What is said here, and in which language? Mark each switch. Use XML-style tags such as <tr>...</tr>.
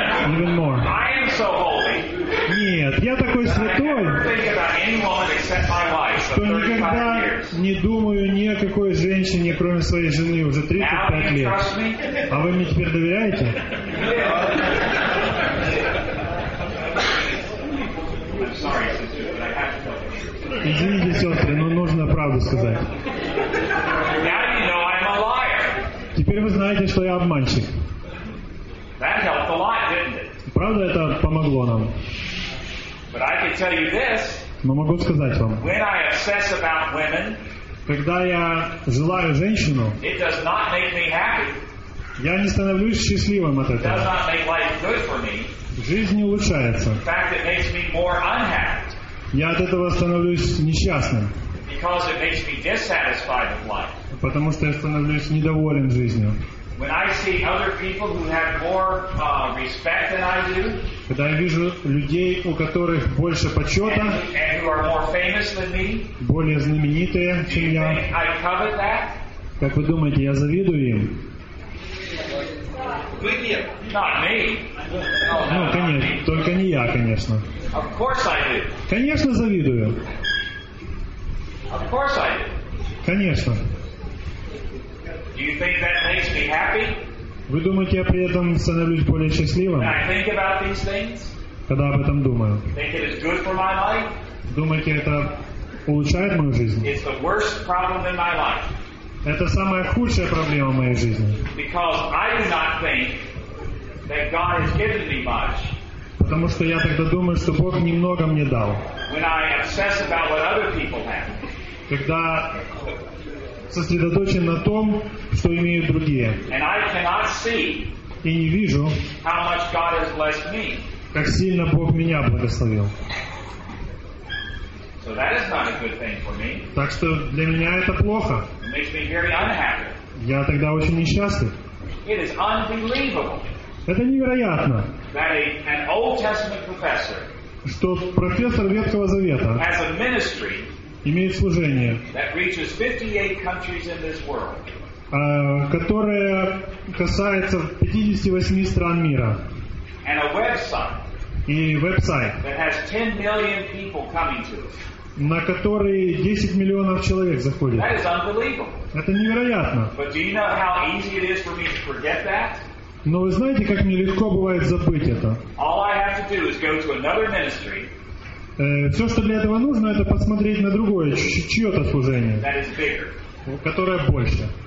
<en>Even more. I am so holy.</en> <ru>Нет, я такой святой, что никогда не думаю ни о какой женщине, кроме своей жены, уже 35 лет. А вы мне теперь доверяете?</ru> <en>I'm sorry, sister, but I have to tell you.</en> <ru>Извините, сестры, но нужно правду сказать.</ru> <en>Now you know I'm a liar.</en> <ru>Теперь вы знаете, что я обманщик.</ru> <en>That helped a lot, didn't it?</en> <ru>Правда, это помогло нам.</ru> <en>But I can tell you this.</en> <ru>Но могу сказать вам.</ru> <en>When I obsess about women,</en> <ru>когда я желаю женщину,</ru> <en>it does not make me happy.</en> <ru>Я не становлюсь счастливым от этого.</ru> <en>It does not make life good for me.</en> <ru>Жизнь не улучшается.</ru> <en>In fact, it makes me more unhappy.</en> <ru>Я от этого становлюсь несчастным.</ru> <en>Because it makes me dissatisfied with life.</en> <ru>Потому что я становлюсь недоволен жизнью.</ru> <en>When I see other people who have more respect than I do,</en> <ru>когда я вижу людей, у которых больше почета,</ru> <en>and who are more famous than me,</en> <ru>более знаменитые, чем я,</ru> <en>I covet that?</en> <ru>Как вы думаете, я завидую им?</ru> <en>Not me.</en> <ru>Ну, конечно, только не я, конечно.</ru> <en>Of course I do.</en> <ru>Конечно, завидую.</ru> <en>Of course I do.</en> <ru>Конечно.</ru> <en>Do you think that makes me happy?</en> <ru>Вы думаете, я при этом становлюсь более счастливым?</ru> <en>When I think about these things?</en> <ru>Когда об этом думаю?</ru> <en>Think it is good for my life?</en> <ru>Думаете, это улучшает мою жизнь?</ru> <en>It's the worst problem in my life.</en> <ru>Это самая худшая проблема в моей жизни.</ru> <en>Because I do not think that God has given me much.</en> <ru>Потому что я тогда думаю, что Бог немного мне дал.</ru> <en>When I obsess about what other people have.</en> <ru>Когда сосредоточен на том, что имеют другие.</ru> <en>And I cannot see,</en> <ru>и не вижу,</ru> <en>how much God has blessed me.</en> <ru>Как сильно Бог меня благословил.</ru> <en>So that is not a good thing for me.</en> <ru>Так что для меня это плохо.</ru> <en>It makes me very unhappy.</en> <ru>Я тогда очень несчастлив.</ru> <en>It is unbelievable.</en> <ru>Это невероятно.</ru> <en>That an Old Testament professor,</en> <ru>что профессор Ветхого Завета,</ru> <en>has a ministry,</en> <ru>имеет служение,</ru> <en>that reaches 58 countries in this world,</en> <ru>которое касается 58 стран мира,</ru> <en>and a website,</en> <ru>и веб-сайт,</ru> <en>that has 10 million people coming to it,</en> <ru>на который 10 миллионов человек заходит.</ru> <en>That is unbelievable.</en> <ru>Это невероятно.</ru> <en>But do you know how easy it is for me to forget that?</en> <ru>Но вы знаете, как мне легко бывает забыть это?</ru> <en>All I have to do is go to another ministry.</en> <ru>Все, что для этого нужно, это посмотреть на другое, чье-то служение, которое больше.</ru>